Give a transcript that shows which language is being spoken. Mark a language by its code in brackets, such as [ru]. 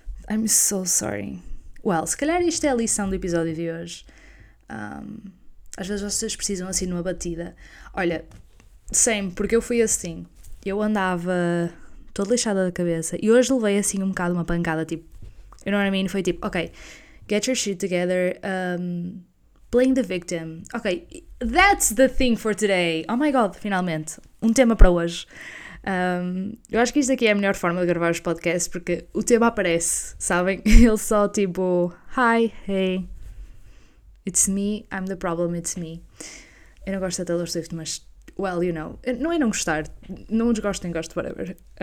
[en] I'm so sorry. Well, [pt] se calhar isto é a lição do episódio de hoje. às vezes vocês precisam assim de uma batida. Olha, sempre, porque eu fui assim, eu andava toda lixada da cabeça e hoje levei assim um bocado uma pancada, tipo, [en] you know what I mean? [pt] Foi tipo, [en] ok, get your shit together, playing the victim. Ok, that's the thing for today. Oh my God, [pt] finalmente, um tema para hoje. Eu acho que isto aqui é a melhor forma de gravar os podcasts, porque o tema aparece, sabem? Ele só tipo, [en] hi, hey, it's me, I'm the problem, it's me. [pt] Eu não gosto da Taylor Swift, mas, [en] well, you know, [pt] não é não gostar, não desgosto nem gosto, whatever.